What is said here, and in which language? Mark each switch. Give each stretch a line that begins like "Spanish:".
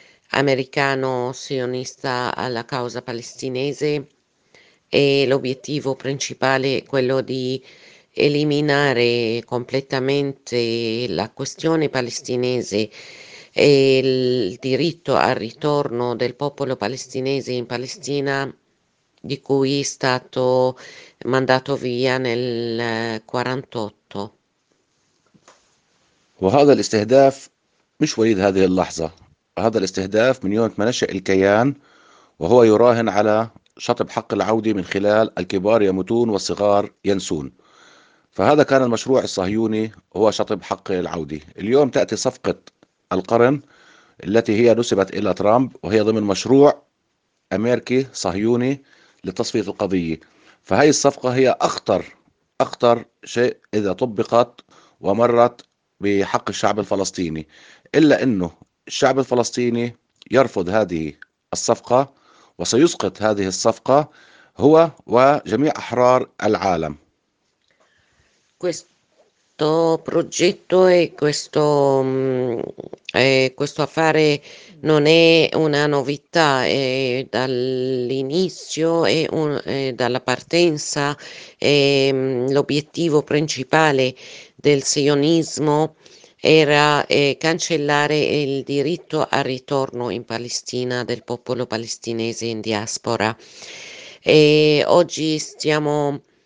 Italian: americano sionista alla causa palestinese, e l'obiettivo principale è quello di eliminare completamente la questione palestinese e il diritto al ritorno del popolo palestinese in Palestina, di cui è stato mandato via nel 48.
Arabic: وهذا الاستهداف مش وليد هذه اللحظة، هذا الاستهداف من يوم ما نشأ الكيان، وهو يراهن على شطب حق العودة من خلال الكبار يموتون والصغار ينسون. فهذا كان المشروع الصهيوني، هو شطب حق العودة. اليوم تأتي صفقة القرن التي هي نسبت إلى ترامب، وهي ضمن مشروع أمريكي صهيوني لتصفية القضية. فهي الصفقة هي أخطر شيء إذا طبقت ومرت بحق الشعب الفلسطيني، إلا أنه الشعب الفلسطيني يرفض هذه الصفقة وسيسقط هذه الصفقة هو وجميع أحرار العالم.
Italian: Questo progetto e questo affare non è una novità, dall'inizio e dalla partenza l'obiettivo principale del sionismo era cancellare il diritto al ritorno in Palestina del popolo palestinese in diaspora. E oggi stiamo